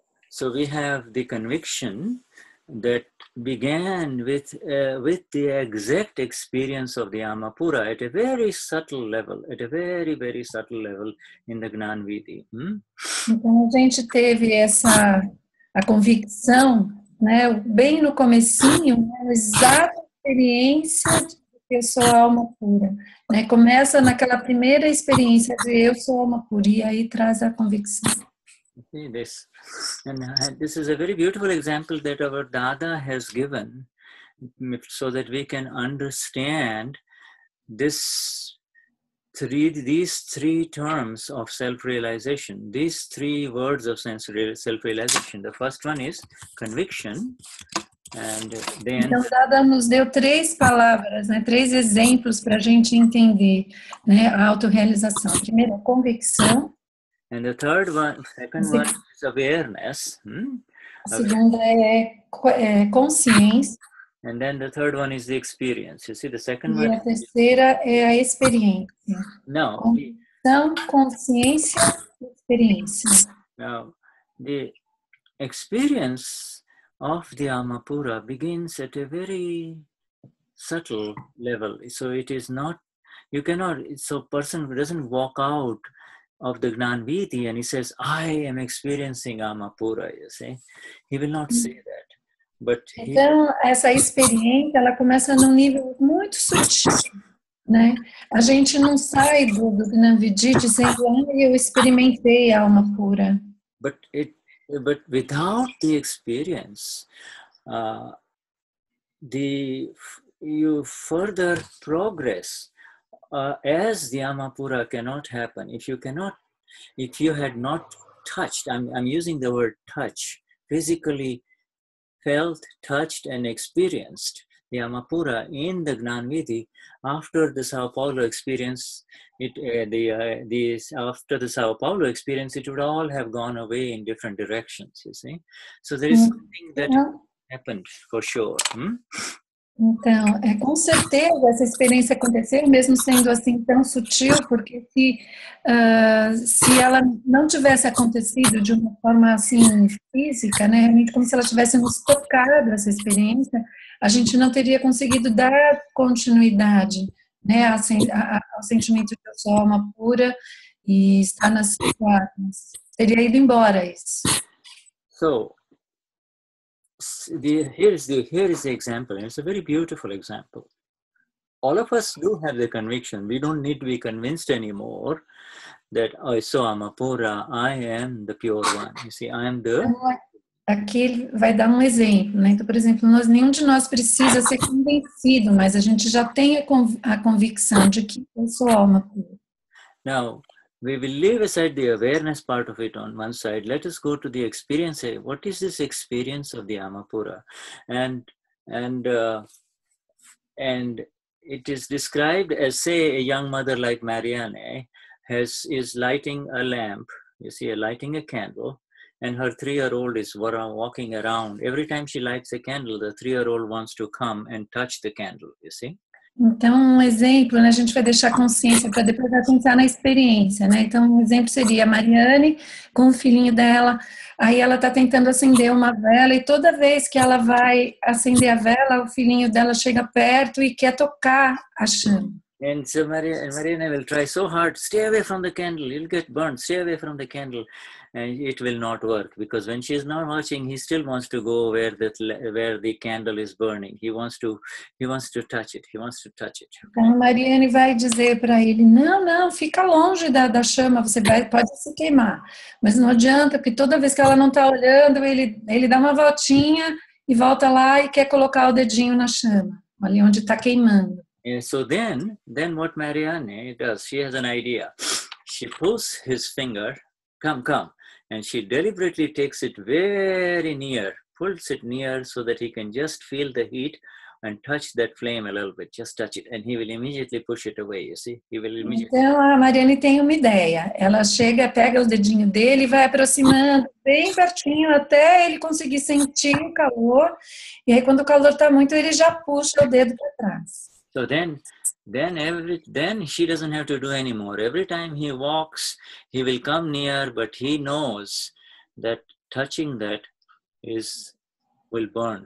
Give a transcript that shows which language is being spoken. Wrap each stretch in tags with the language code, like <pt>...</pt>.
<en>So we have the conviction that began with the exact experience of the Amapura at a very subtle level, at a very, very subtle level in the Gnanvedi.</en> <pt>Então, a gente teve essa a convicção, né, bem no comecinho, né, a exata experiência de que eu sou a alma pura. Né, começa naquela primeira experiência de eu sou a alma pura, e aí traz a convicção.</pt> <en>This. And this is a very beautiful example that our Dada has given so that we can understand these three terms of self-realization, these three words of self-realization. The first one is conviction. And then,</en> <pt>então, Dada nos deu três palavras, né, três exemplos para a gente entender, né, a autorrealização. Primeiro, a convicção.</pt> <en>And the third one, second one is awareness.</en> <pt>A segunda é consciência.</pt> <en>And then the third one is the experience. You see, the second</en> <pt>e</pt> <en>one.</en> <pt>E a terceira é a experiência.</pt> <en>No.</en> <pt>Então, consciência, experiência.</pt> <en>Now, the experience of the Amapura begins at a very subtle level. So it is not, you cannot, so person doesn't walk out of the Gnanvedi and he says, I am experiencing Amapura, you see. He will not say that. But</en> <pt>então, essa experiência, ela começa num nível muito sutil, né? A gente não sai do Gnanvedi dizendo, ah, eu experimentei a Amapura.</pt> <en>But without the experience, you further progress as the Amapura cannot happen. If you had not touched, I'm using the word touch, physically felt, touched, and experienced the Amapura in the Gnanvedi, after the Sao Paulo experience, after the Sao Paulo experience, it would all have gone away in different directions, you see. So there is something that happened for sure.</en> <pt>Então, é com certeza essa experiência aconteceu, mesmo sendo assim tão sutil, porque se ela não tivesse acontecido de uma forma assim física, né, realmente como se ela tivesse nos tocado essa experiência, a gente não teria conseguido dar continuidade, né, ao sentimento de eu sou alma pura e estar nas situações. Teria ido embora isso.</pt> <en>So. Here is the example, and it's a very beautiful example. All of us do have the conviction. We don't need to be convinced anymore that I am the pure one. You see, I am the</en> <pt>Aqui ele vai dar um exemplo, né? Então, por exemplo, nós, nenhum de nós precisa ser convencido, mas a gente já tem a convicção de que eu sou alma pura.</pt> <en>Now, we will leave aside the awareness part of it on one side. Let us go to the experience. What is this experience of the alma pura? And it is described as, say, a young mother like Marianne is lighting a lamp. You see, lighting a candle. And her three-year-old is walking around. Every time she lights a candle, the three-year-old wants to come and touch the candle, you see?</en> <pt>Então, um exemplo, né? A gente vai deixar a consciência para depois pensar na experiência, né? Então, um exemplo seria a Marianne com o filhinho dela. Aí ela está tentando acender uma vela e toda vez que ela vai acender a vela, o filhinho dela chega perto e quer tocar a chama.</pt> <en>And so Marianne will try so hard, stay away from the candle, you'll get burned, stay away from the candle. And it will not work, because when she is not watching, he still wants to go where the candle is burning. He wants to touch it.</en> <pt>Então, Marianne vai dizer para ele, não, fica longe da chama, você pode se queimar. Mas não adianta, porque toda vez que ela não está olhando, ele dá uma voltinha e volta lá e quer colocar o dedinho na chama, ali onde está queimando.</pt> <en>And so then what Marianne does, she has an idea. She pulls his finger, come. And she deliberately takes it very near, pulls it near so that he can just feel the heat and touch that flame a little bit, just touch it. And he will immediately push it away, you see? He will immediately.</en> <pt>Então a Marianne tem uma ideia. Ela chega, pega o dedinho dele e vai aproximando bem pertinho até ele conseguir sentir o calor. E aí quando o calor está muito, ele já puxa o dedo para trás.</pt> <en>So then she doesn't have to do anymore. Every time he walks, he will come near, but he knows that touching that will burn.</en>